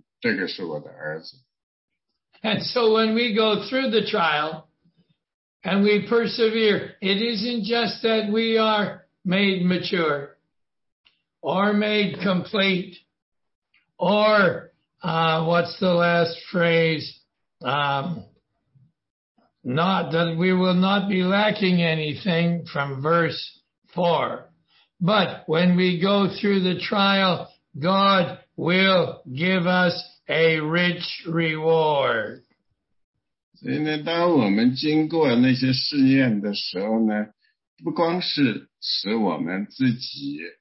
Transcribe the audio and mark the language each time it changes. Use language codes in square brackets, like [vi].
[zh] 神实际上在天上看着呢，啊，这个是我的女儿，这个是我的儿子。 [en] And so when we go through the trial, and we persevere, it isn't just that we are made mature. Or made complete, not that we will not be lacking anything from verse 4. But when we go through the trial, God will give us a rich reward. [zh] 所以呢，当我们经过那些试验的时候呢，不光是使我们自己。